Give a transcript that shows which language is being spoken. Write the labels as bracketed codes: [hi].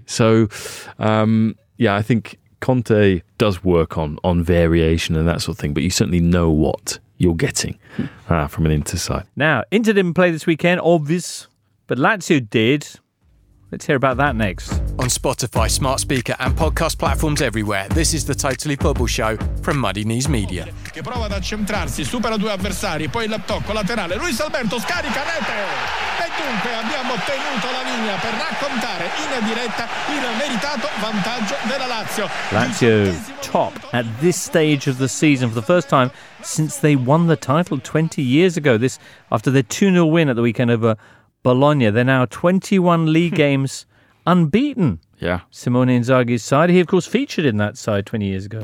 [en] So, I think Conte does work on variation and that sort of thing, but you certainly know what you're getting from an Inter side. Now, Inter didn't play this weekend, obvious, but Lazio did. Let's hear about that next. On Spotify, smart speaker and podcast platforms everywhere, this is the Totally Football Show from Muddy Knees Media. [it] Che prova ad accentrarsi, supera due avversari, poi l'attocco laterale. Luis Alberto scarica rete! E dunque abbiamo ottenuto la linea per raccontare in diretta il meritato vantaggio della Lazio. [en] Lazio top at this stage of the season for the first time since they won the title 20 years ago. This after their 2-0 win at the weekend over Bologna. They're now 21 league games unbeaten. Yeah. Simone Inzaghi's side. He, of course, featured in that side 20 years ago.